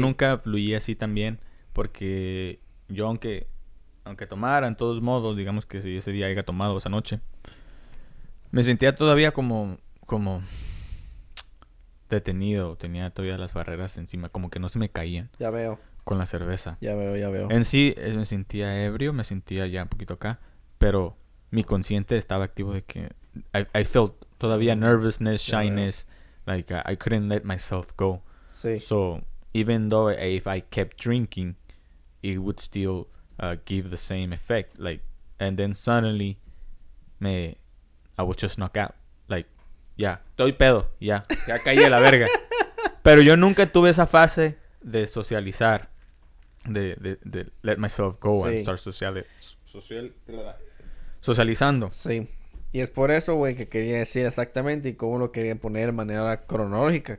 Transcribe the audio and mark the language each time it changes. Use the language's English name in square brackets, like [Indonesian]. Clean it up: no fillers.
[Spanish] nunca fluía así tan bien porque yo aunque tomara, en todos modos, digamos que si ese día haya tomado esa noche, me sentía todavía como detenido, tenía todavía las barreras encima, como que no se me caían Ya veo. con la cerveza. Ya veo, ya veo. En sí, me sentía ebrio, me sentía ya un poquito acá, pero mi consciente estaba activo de que [English] I felt [Spanish] todavía Ya veo. [English] nervousness, shyness, like I couldn't let myself go. [Spanish] Sí. [English] So, even though if I kept drinking, it would still give the same effect, like, and then suddenly I would just knock out, like, [Spanish] ya, estoy pedo, ya. Ya caí a la verga. Pero yo nunca tuve esa fase de socializar. De [English] let myself go and [Spanish] Sí. [English] start socializando. [Spanish] Sí. Y es por eso, güey, que quería decir exactamente y cómo lo quería poner de manera cronológica.